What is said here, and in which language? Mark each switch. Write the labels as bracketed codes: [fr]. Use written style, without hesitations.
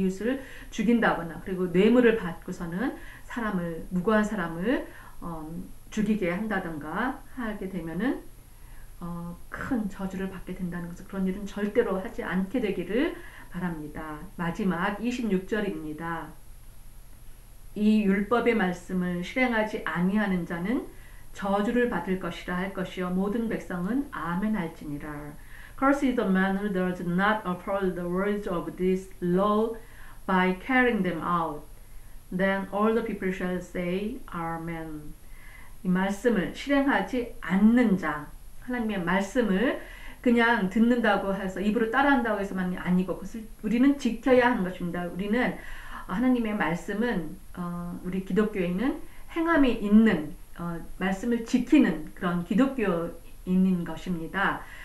[ko] 이웃을 죽인다거나 그리고 뇌물을 받고서는 사람을 무고한 사람을 죽이게 한다든가 하게 되면은 큰 저주를 받게 된다는 것을 그런 일은 절대로 하지 않게 되기를 바랍니다. 마지막 26절입니다. 이 율법의 말씀을 실행하지 아니하는 자는 저주를 받을 것이라 할 것이요 모든 백성은 아멘할지니라. [en] Cursed is the man who does not uphold the words of this law by carrying them out. Then all the people shall say, Amen. [ko] 이 말씀을 실행하지 않는 자, 하나님의 말씀을 그냥 듣는다고 해서 입으로 따라한다고 해서만이 아니고 그것을 우리는 지켜야 하는 것입니다. 우리는 하나님의 말씀은 우리 기독교인은 행함이 있는 말씀을 지키는 그런 기독교인인 것입니다.